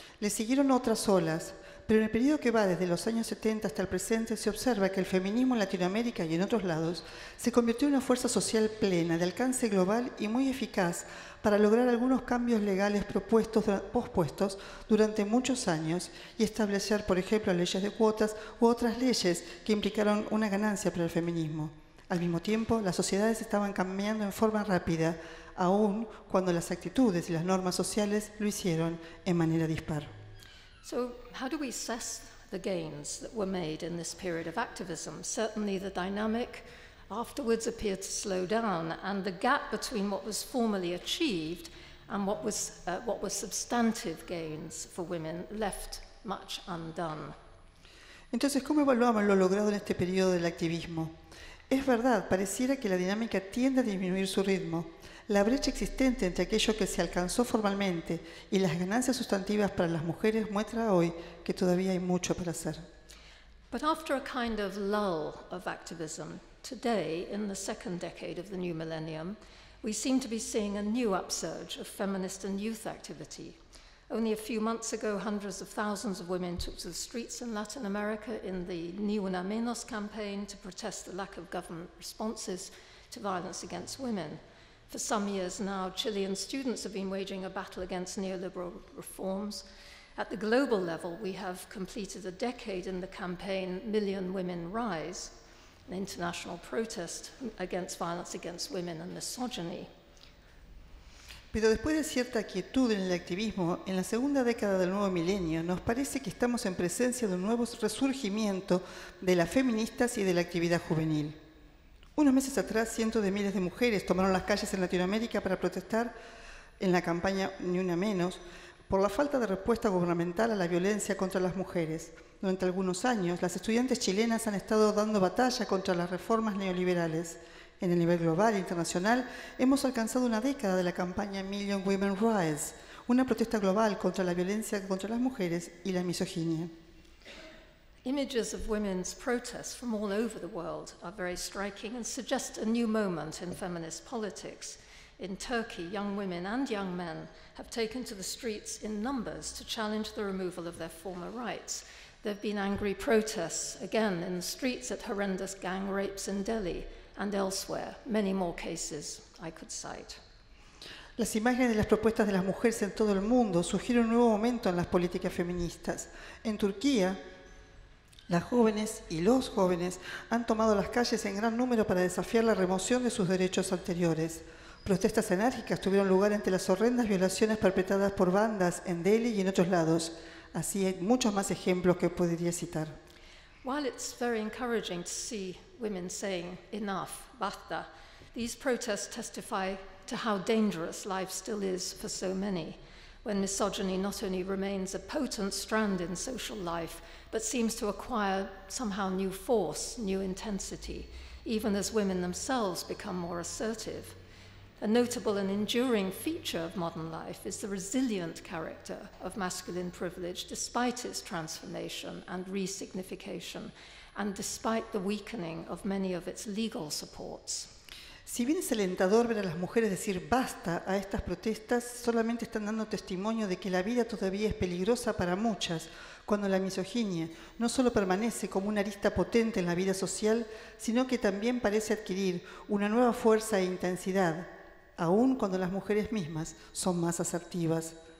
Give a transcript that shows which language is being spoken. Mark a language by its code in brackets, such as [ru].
[es] Le siguieron otras olas, pero en el periodo que va desde los años 70 hasta el presente se observa que el feminismo en Latinoamérica y en otros lados se convirtió en una fuerza social plena, de alcance global y muy eficaz para lograr algunos cambios legales pospuestos durante muchos años y establecer, por ejemplo, leyes de cuotas u otras leyes que implicaron una ganancia para el feminismo. Al mismo tiempo, las sociedades estaban cambiando en forma rápida, aun cuando las actitudes y las normas sociales lo hicieron en manera dispar. [en] So, how do we assess the gains that were made in this period of activism? Certainly the dynamic afterwards appeared to slow down, and the gap between what was formally achieved and what was substantive gains for women left much undone. [es] Entonces, ¿cómo evaluamos lo logrado en este periodo del activismo? Es verdad, pareciera que la dinámica tiende a disminuir su ritmo. La brecha existente entre aquello que se alcanzó formalmente y las ganancias sustantivas para las mujeres muestra hoy que todavía hay mucho para hacer. [en] But after a kind of lull of activism, today, in the second decade of the new millennium, we seem to be seeing a new upsurge of feminist and youth activity. Only a few months ago, hundreds of thousands of women took to the streets in Latin America in the Ni Una Menos campaign to protest the lack of government responses to violence against women. For some years now, Chilean students have been waging a battle against neoliberal reforms. At the global level, we have completed a decade in the campaign Million Women Rise, an international protest against violence against women and misogyny. [es] Pero después de cierta quietud en el activismo, en la segunda década del nuevo milenio, nos parece que estamos en presencia de un nuevo resurgimiento de las feministas y de la actividad juvenil. Unos meses atrás, cientos de miles de mujeres tomaron las calles en Latinoamérica para protestar en la campaña Ni Una Menos por la falta de respuesta gubernamental a la violencia contra las mujeres. Durante algunos años, las estudiantes chilenas han estado dando batalla contra las reformas neoliberales. En el nivel global e internacional, hemos alcanzado una década de la campaña Million Women Rise, una protesta global contra la violencia contra las mujeres y la misoginia. [en] Images of women's protests from all over the world are very striking and suggest a new moment in feminist politics. In Turkey, young women and young men have taken to the streets in numbers to challenge the removal of their former rights. There have been angry protests, again, in the streets at horrendous gang rapes in Delhi and elsewhere, many more cases I could cite. [es] Las imágenes de las propuestas de las mujeres en todo el mundo sugieren un nuevo momento en las políticas feministas. En Turquía, las jóvenes y los jóvenes han tomado las calles en gran número para desafiar la remoción de sus derechos anteriores. Protestas enérgicas tuvieron lugar ante las horrendas violaciones perpetradas por bandas en Delhi y en otros lados. Así hay muchos más ejemplos que podría citar. [en] While it's very encouraging to see women saying enough, [es] basta, [en] these protests testify to how dangerous life still is for so many, when misogyny not only remains a potent strand in social life, but seems to acquire somehow new force, new intensity, even as women themselves become more assertive. A notable and enduring feature of modern life is the resilient character of masculine privilege despite its transformation and re-signification, and despite the weakening of many of its legal supports. [es] Si bien es alentador ver a las mujeres decir basta a estas protestas, solamente están dando testimonio de que la vida todavía es peligrosa para muchas cuando la misoginia no solo permanece como una arista potente en la vida social, sino que también parece adquirir una nueva fuerza e intensidad, aun cuando las mujeres mismas son más asertivas.